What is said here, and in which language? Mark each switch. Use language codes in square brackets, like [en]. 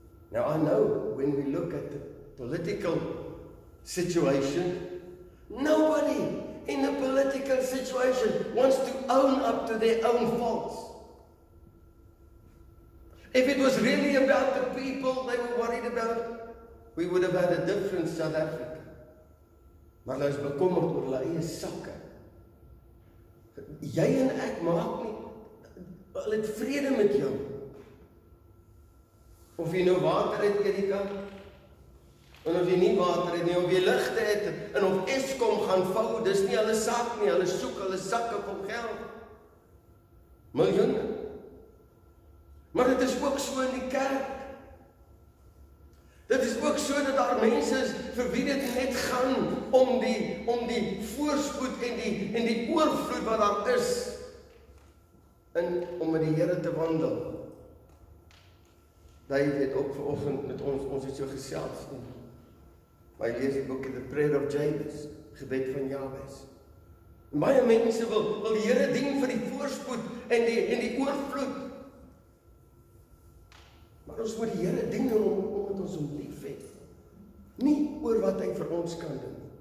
[en] Now I know when we look at the political situation, nobody in the political situation wants to own up to their own faults. If it was really about the people they were worried about, we would have had a different South Africa. [af] Maar hulle is bekommerd oor hulle eie sakke. Jy en ek maak nie, hulle het vrede met jou. Of jy nou water het hierdie kant, en of jy nie water het nie, of jy ligte het, en of Eskom gaan vou, dis nie hulle saak nie, hulle soek hulle sakke van geld. Miljoene. Maar dit is ook so in die kerk. Dit is ook so dat daar mense is vir wie dit net gaan om die voorspoed en die oorvloed wat daar is en om met die Here te wandel. David het ook vanoggend met ons het so gesels. Maar hy lees die boek The Prayer of Jabez, gebed van Jabez. Baie mense wil die Here dien vir die voorspoed en die oorvloed. Maar ons moet die Here dien omdat ons hom lief het. Nie oor wat hy vir ons kan doen.